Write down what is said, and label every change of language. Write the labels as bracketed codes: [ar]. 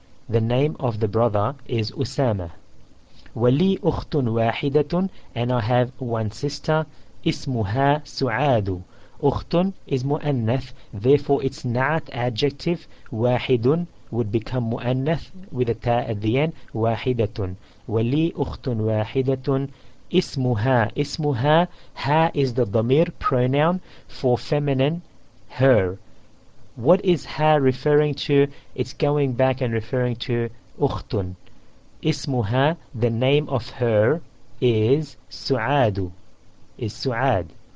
[en] The name of the brother is Usama. [ar] وَلِي أُخْتٌ وَاحِدَةٌ, [en] and I have one sister, ismuha سُعَادُ. أُخْتٌ is مُؤَنَّث, therefore its نَعَت adjective, وَاحِدٌ would become مُؤَنَّث with a ta at the end, وَاحِدَةٌ. [ar] وَلِي أُخْتٌ وَاحِدَةٌ ismuha. [en] Ismuha, ha is the damir pronoun for feminine, her. What is ha referring to? It's going back and referring to أُخْتٌ. Ismuha, the name of her is Su'adu, is Su'ad.